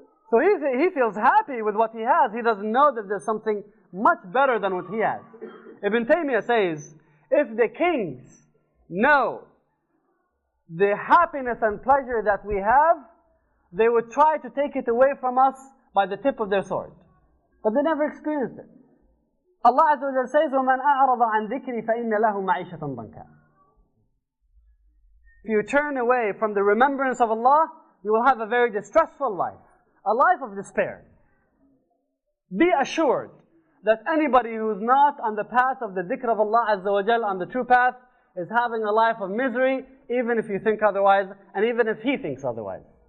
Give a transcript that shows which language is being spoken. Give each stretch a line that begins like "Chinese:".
English: So he feels happy with what he has. He doesn't know that there's something much better than what he has. Ibn Taymiyyah says, if the kings know the happiness and pleasure that we have, they would try to take it away from us by the tip of their sword. But they never experienced it. Allah Azza wa Jalla says,
Arabic: وَمَنْ أَعْرَضَ عَنْ ذِكْرِي فَإِنَّ لَهُ مَعِيشَةً ضَنْكًا.
English: If you turn away from the remembrance of Allah, you will have a very distressful life, a life of despair. Be assured that anybody who is not on the path of the dhikr of Allah Azza wa Jalla, on the true path, is having a life of misery, even if you think otherwise, and even if he thinks otherwise.